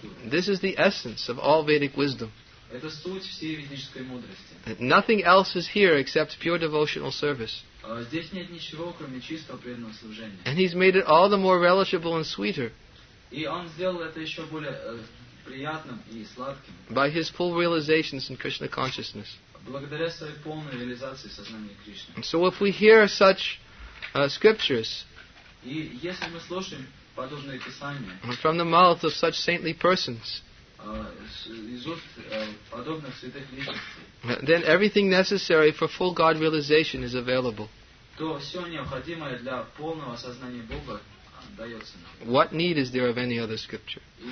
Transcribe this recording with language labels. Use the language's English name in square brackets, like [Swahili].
[English] This is the essence of all Vedic wisdom. [Russian] Это суть всей ведической мудрости. [English] Nothing else is here except pure devotional service. [Russian] Здесь нет ничего, кроме чистого преданного служения. [English] And he's made it all the more relishable and sweeter. [Russian] И он сделал это еще более приятным и сладким. [English] By his full realizations in Krishna consciousness. [Russian] Благодаря своей полной реализации сознания Кришны. [English] So if we hear such scriptures, [Russian] и если мы слушаем подобные писания, [English] from the mouth of such saintly persons, then everything necessary for full God realization is available. What need is there of any other scripture?